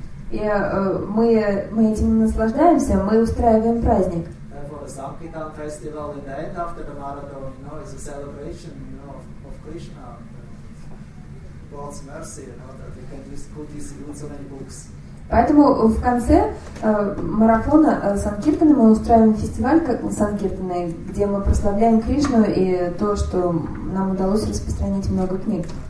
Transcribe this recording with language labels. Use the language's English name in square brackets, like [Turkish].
[Russian] И мы этим наслаждаемся, мы устраиваем праздник. [English] Sankirtan festival in the end after the marathon, you know, is a celebration, you know, of Krishna, God's mercy, you know, that we can just put this in so many books. [Russian] Поэтому в конце марафона Санкиртана мы устраиваем фестиваль как Санкиртаны, где мы прославляем Кришну и то, что нам удалось распространить много книг.